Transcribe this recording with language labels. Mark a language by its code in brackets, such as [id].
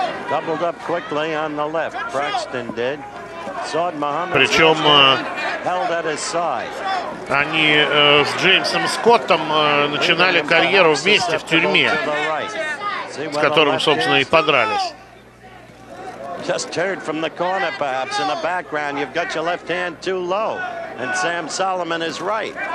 [en] Doubled up quickly on the left, Braxton did. Saad Muhammad. [ru] Причем [en] held at his side. [ru] Они с Джеймсом Скоттом начинали карьеру вместе в тюрьме, с которым, собственно, и подрались. [en] Just heard from the corner, perhaps in the background. You've got your left hand too low, and Sam Solomon is right.